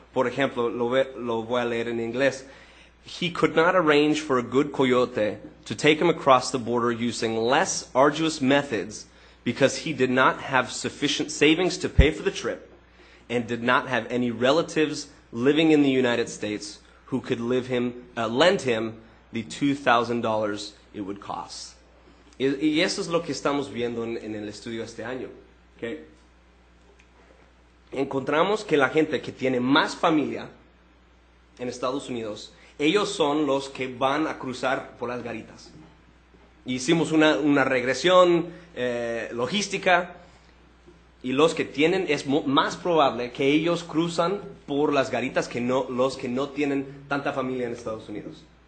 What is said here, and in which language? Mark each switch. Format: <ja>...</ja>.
<es>Por ejemplo, lo voy a leer en inglés.</es> <en>He could not arrange for a good coyote to take him across the border using less arduous methods because he did not have sufficient savings to pay for the trip and did not have any relatives living in the United States who could lend him the $2,000 it would cost.</en> <es>Y eso es lo que estamos viendo en el estudio este año. Okay. Encontramos que la gente que tiene más familia en Estados Unidos, ellos son los que van a cruzar por las garitas. Hicimos una regresión logística, y los que tienen, es más probable que ellos cruzan por las garitas que no, los que no tienen tanta familia en Estados Unidos.</es>